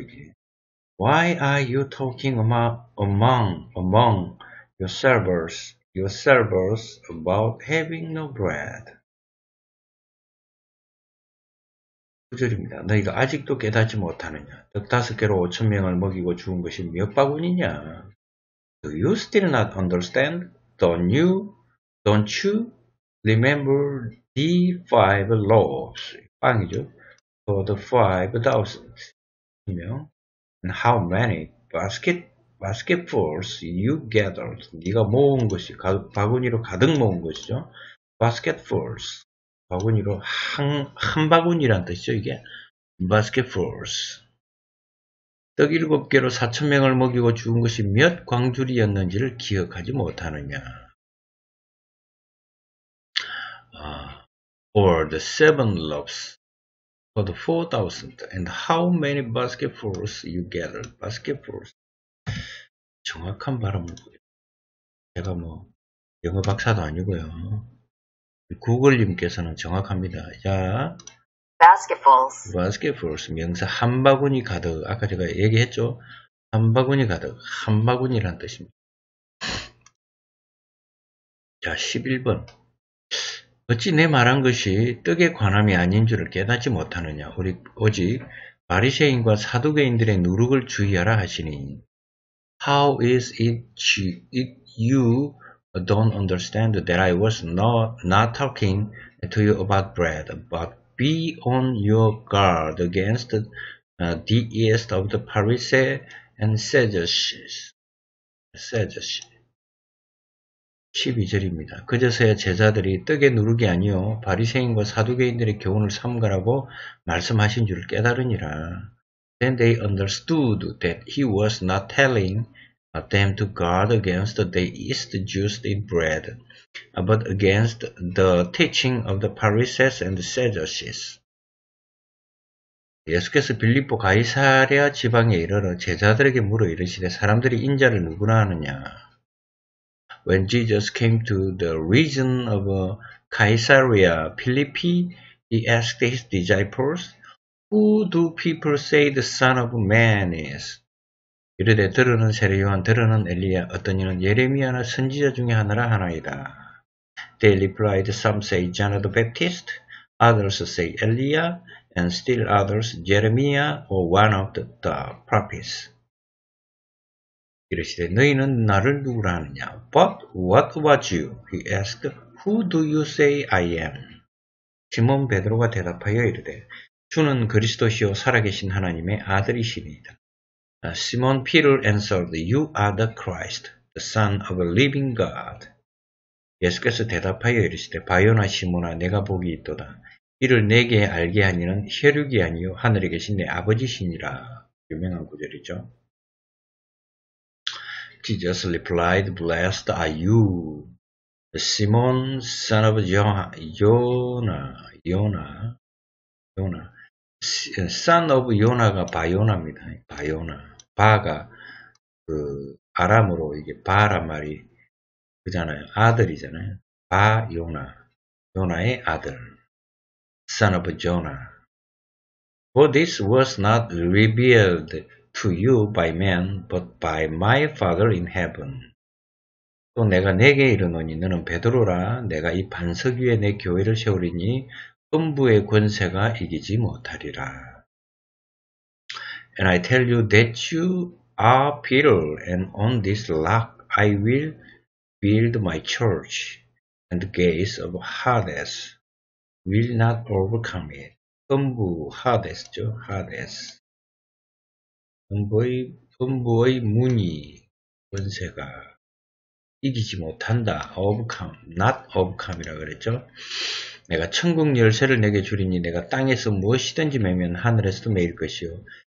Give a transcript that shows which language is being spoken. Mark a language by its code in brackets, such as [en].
[ko] 이게 [en] Why are you talking among yourselves about having no bread? [ko] 구절입니다. 너희가 아직도 깨닫지 못하느냐? 떡 다섯 개로 오천 명을 먹이고 주운 것이 몇 바구니냐? [en] Do you still not understand? Don't you? [ko] Don't you? [en] Remember the five loaves. [ko] 빵이죠. [en] For the 5,000. [ko] 분명. [en] And how many basketfuls you gathered. [ko] 네가 모은 것이, 바구니로 가득 모은 것이죠. [en] Basketfuls. [ko] 바구니로 한 바구니란 뜻이죠, 이게. [en] Basketfuls. [ko] 떡 일곱 개로 4,000명을 먹이고 죽은 것이 몇 광주리였는지를 기억하지 못하느냐. [en] Or the 7 loaves for the 4,000 and how many basketfuls you gathered. [ko] Basketfuls. 정확한 발음을 보여. 제가 뭐 영어 박사도 아니고요. 구글님께서는 정확합니다. 자, [en] Basketfuls. [ko] 명사 한 바구니 가득. 아까 제가 얘기했죠. 한 바구니 가득. 한 바구니란 뜻입니다. 자, 11번. 어찌 내 말한 것이 떡에 관함이 아닌 줄을 깨닫지 못하느냐. 우리 오직 바리새인과 사두개인들의 누룩을 주의하라 하시니. [en] How is it you don't understand that I was not talking to you about bread, but be on your guard against the east of the Pharisees and Sadducees. [ko] 12절입니다. 그제서야 제자들이 떡의 누룩이 아니요 바리새인과 사두개인들의 교훈을 삼가라고 말씀하신 줄 깨달으니라. [en] Then they understood that he was not telling them to guard against the east Jews in bread, but against the teaching of the Pharisees and the Sadducees. [ko] 예수께서 빌립보 가이사랴 지방에 이르러 제자들에게 물어 이르시되 사람들이 인자를 누구나 하느냐? [en] When Jesus came to the region of Caesarea Philippi, he asked his disciples, Who do people say the Son of Man is? [ko] 이르되 들으는 세례요한, 들으는 엘리야, 어떤 이는 예레미야나 선지자 중에 하나라 하나이다. [en] They replied, Some say John the Baptist, others say Elijah, and still others Jeremiah or one of the prophets. [ko] 이르시되 너희는 나를 누구라 하느냐? [en] But what about you? He asked, Who do you say I am? [ko] 시몬 베드로가 대답하여 이르되 주는 그리스도시요 살아계신 하나님의 아들이십니다. [en] Simon Peter answered, You are the Christ, the Son of a living God. [ko] 예수께서 대답하여 이르시되 바요나 시몬아 내가 복이 있도다. 이를 내게 알게 하니는 혈육이 아니요 하늘에 계신 내 아버지시니라. 유명한 구절이죠. [en] Jesus replied, Blessed are you, Simon, son of Jonah. Son of Jonah [ko] 가 바요나입니다. 바요나. 바가 그 아람으로 이게 바란 말이 그잖아요. 아들이잖아요. 바요나. 요나의 아들. [en] Son of Jonah. For this was not revealed to you by man, but by my Father in heaven. [ko] 또 내가 내게 이르노니 너는 베드로라. 내가 이 반석 위에 내 교회를 세우리니 음부의 권세가 이기지 못하리라. [en] And I tell you that you are Peter, and on this rock I will build my church, and the gates of Hades will not overcome it. [ko] 음부, Hades죠, Hades. 음부의 문이, 권세가 이기지 못한다. [en] Overcome, not overcome이라 [ko] 그랬죠. 내가 천국 열쇠를 내게 주리니 내가 땅에서 무엇이든지 매면 하늘에서도 매일 것이요.